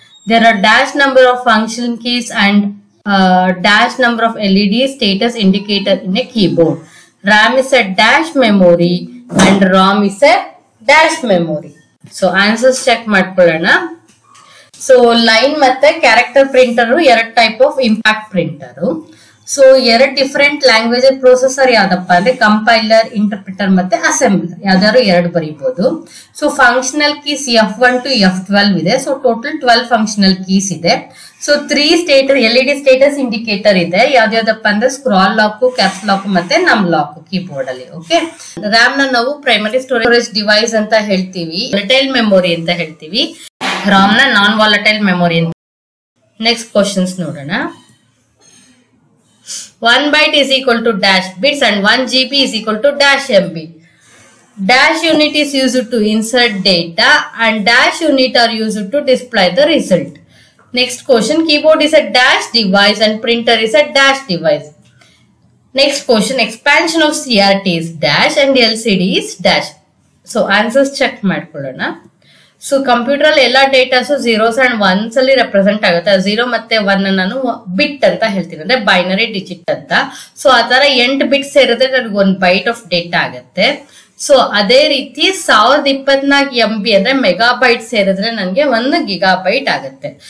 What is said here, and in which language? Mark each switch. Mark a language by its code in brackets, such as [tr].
[en] There are dash number of function keys and dash number of LED status indicator in a keyboard. RAM is a dash memory and ROM is a dash memory. So answers check ಮಾಡ್ಕೊಳ್ಳೋಣ. So line ಮತ್ತೆ character printer ಎರಡು type of impact printer. [kn] So ಎರಡು different language processor ಯಾವ್ದಪ್ಪ ಅಂದ್ರೆ compiler, interpreter ಮತ್ತೆ assembler, ಯಾವ್ದಾದ್ರು ಎರಡು ಬರೀಬಹುದು. So functional keys F1 to F12 ಇದೆ. ಸೊ ಟೋಟಲ್ 12 ಫಂಕ್ಷನಲ್ ಕೀಸ್ ಇದೆ. So 3 status LED status indicator ಇದೆ. ಯಾವ್ದ್ಯಾವ್ದಪ್ಪ ಅಂದ್ರೆ ಸ್ಕ್ರಾಲ್ ಲಾಕ್, ಕ್ಯಾಪ್ಸ್ ಲಾಕ್ ಮತ್ತೆ ನಮ್ ಲಾಕ್ ಕೀಬೋರ್ಡ್ ಅಲ್ಲಿ. ಓಕೆ, ರ್ಯಾಮ್ ನ ನಾವು ಪ್ರೈಮರಿ ಸ್ಟೋರೇಜ್ ಡಿವೈಸ್ ಅಂತ ಹೇಳ್ತೀವಿ, ವಾಲಟೈಲ್ ಮೆಮೊರಿ ಅಂತ ಹೇಳ್ತೀವಿ, ರಾಮ್ ನ ನಾನ್ ವಾಲಟೈಲ್ ಮೆಮೊರಿ. [en] next questions [kn] ನೋಡೋಣ. [en] 1 byte is equal to dash bits and 1 GB is equal to dash MB. Dash unit is used to insert data and dash unit are used to display the result. Next question, keyboard is a dash device and printer is a dash device. Next question, expansion of CRT is dash and LCD is dash. So answers check ಮಾಡ್ಕೊಳ್ಳೋಣ. [kn] So computer ಅಲ್ಲಿ ಎಲ್ಲಾ ಡೇಟಾಸು zeros and once ಅಲ್ಲಿ represent ಆಗುತ್ತೆ. Zero ಮತ್ತೆ one ನಾನು ಬಿಟ್ ಅಂತ ಹೇಳ್ತೀನಿ, ಅಂದ್ರೆ ಬೈನರಿ ಡಿಜಿಟ್ ಅಂತ. ಸೊ ಆತರ 8 ಬಿಟ್ಸ್ ಇರುತ್ತೆ, ನನಗೆ 1 ಬೈಟ್ ಆಫ್ ಡೇಟಾ ಆಗುತ್ತೆ. ಸೊ ಅದೇ ರೀತಿ 1024 MB ಅಂದ್ರೆ ಮೆಗಾ ಬೈಟ್ ಸೇರಿದ್ರೆ ನನಗೆ 1 GB ಆಗುತ್ತೆ.